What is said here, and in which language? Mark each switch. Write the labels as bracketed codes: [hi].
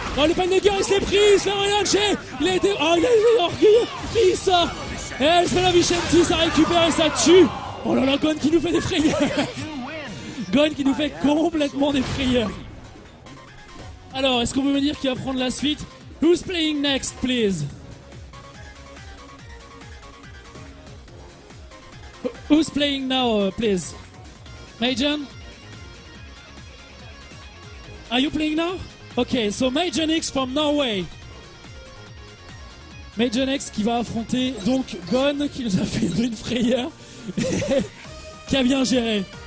[fr] Oh, le Panneger, il s'est pris, il se fait relâcher. Il a été... Oh, il a été orgueilleux. Qui ça? Et elle se fait la Vicenti, ça récupère et ça tue. Oh là là, Gon qui nous fait des frayeurs. Gon qui nous fait complètement des frayeurs. Alors, est-ce qu'on peut me dire qui va prendre la suite? [en] Who's playing next, please? Who's playing now, please? Majen? Are you playing now? Okay, so Majen X from Norway. [fr] Majen X qui va affronter donc Gon qui nous a fait une frayeur. Qui a bien géré.